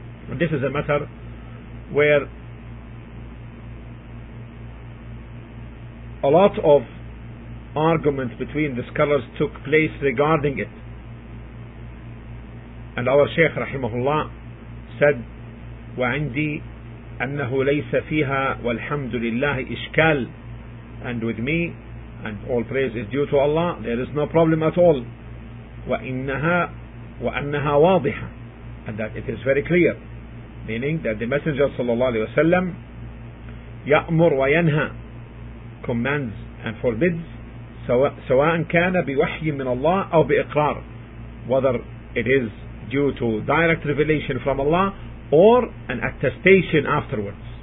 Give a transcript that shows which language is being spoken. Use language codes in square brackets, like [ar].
[en] And this is a matter where a lot of argument between the scholars took place regarding it. And our Shaykh rahimahullah said, [ar] وَعِنْدِي أَنَّهُ لَيْسَ فِيهَا وَالْحَمْدُ لِلَّهِ إِشْكَالِ. [en] And with me, and all praise is due to Allah, there is no problem at all. [ar] وَأَنَّهَا وَاضِحَ. [en] And that it is very clear, meaning that the Messenger sallallahu alayhi wa sallam [ar] يَأْمُرْ وَيَنْهَى, [en] commands and forbids, [ar] سَوَاءً كَانَ بِوَحْيٍ مِّنَ اللَّهِ أَوْ بِإِقْرَارٍ, [en] whether it is due to direct revelation from Allah or an attestation afterwards.